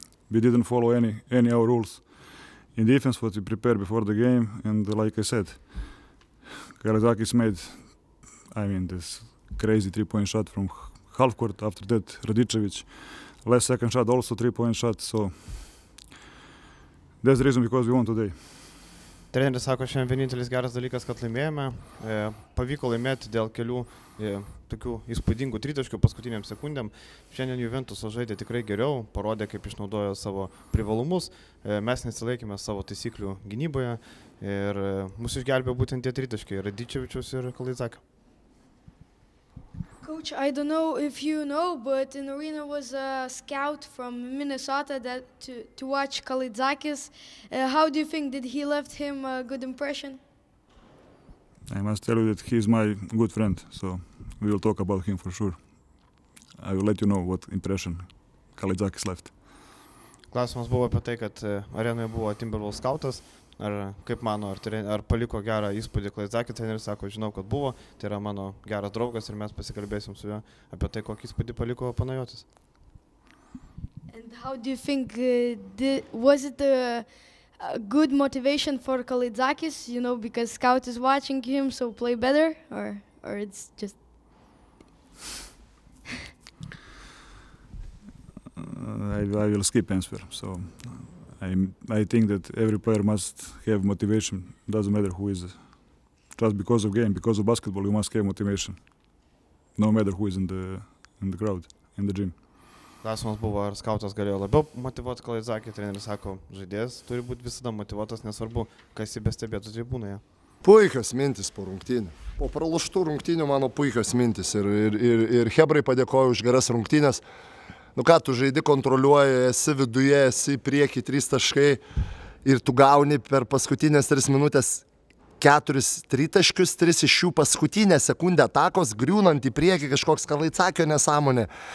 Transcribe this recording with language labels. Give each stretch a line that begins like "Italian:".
English: We didn't follow any our rules in defense, what we prepared before the game. And like I said, Kalizakis made, this crazy 3-point shot from half court. After that, Radičević, last second shot, also 3-point shot. So that's the reason because we won today.
Lithuanian: Treneris sako, šiandien vienintelis geras dalykas, kad laimėjome. Pavyko laimėti dėl kelių tokių įspūdingų tritaškių paskutiniam sekundėm. Šiandien Juventus žaidė tikrai geriau, parodė, kaip išnaudojo savo privalumus. Mes nesilaikėme savo taisyklių gynyboje ir mūsų išgelbėjo būtent tie tritaškiai, Radičevičius ir Kalizaka.
English: Coach, I don't know if you know, but in arena was a scout from Minnesota that to watch Kalidzakis. How do you think, did he left him a good impression? I must tell you that he is my good friend, so we will talk about him for sure. I will let you know what impression Kalidzakis left.
Lithuanian: Klausimas buvo apie tai, kad arenoje buvo Timberwolves scoutas. Ar kaip mano, ar paliko gerą įspūdį Kalidzakis, treneris sako, žinau, kad buvo, tai yra mano geras draugas ir mes pasikalbėsim su juo apie tai, kokį įspūdį paliko Panajotis.
English: And how do you think, was it a good motivation for Kalidzakis, you know, because scout is watching him, so play better, or it's just... I will skip answer, so... I think that every player must have motivation. Doesn't matter who is. Just because of game, because of basketball, you must have motivation. No matter who is in the crowd, in the gym.
Lithuanian: Klausimas buvo, ar skautas galėjo labiau motivuoti Kalidzakį. Treneris sako, žaidėjas turi būti visada motivuotas, nesvarbu, kas jį bestebėtų tribūnoje. Puikios mintis po rungtynių. Po praluštų rungtynių mano puikios mintis. Ir Hebrai padėkojo už geras rungtynės. Nu ką, tu žaidi, kontroliuoji, esi viduje, esi į priekį, 3 taškai ir tu gauni per paskutinės 3 minutės 4 tritaškius, 3 iš jų paskutinę sekundę atakos, griūnant į priekį kažkoks Kalidzakio nesąmonė.